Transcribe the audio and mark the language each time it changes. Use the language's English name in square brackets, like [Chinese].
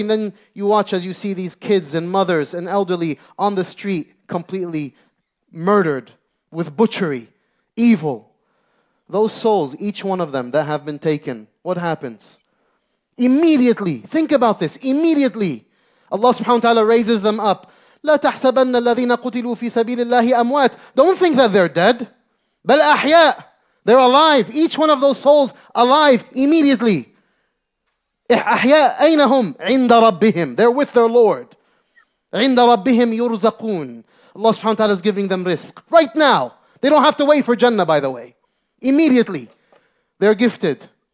[English] And then you watch as you see these kids and mothers and elderly on the street, completely murdered with butchery, evil. Those souls, each one of them that have been taken, what happens? Immediately, think about this, immediately, Allah subhanahu wa ta'ala raises them up. [Arabic] لا تحسبن الذين قتلوا في سبيل الله أموات. [English] Don't think that they're dead. [Arabic] بل أحياء. [English] They're alive. Each one of those souls, alive, immediately. [Arabic] أحياء أينهم عند ربهم. [English] They're with their Lord. [Arabic] عند ربهم يرزقون. [English] Allah subhanahu wa ta'ala is giving them risk. Right now. They don't have to wait for Jannah, by the way. Immediately. They're gifted.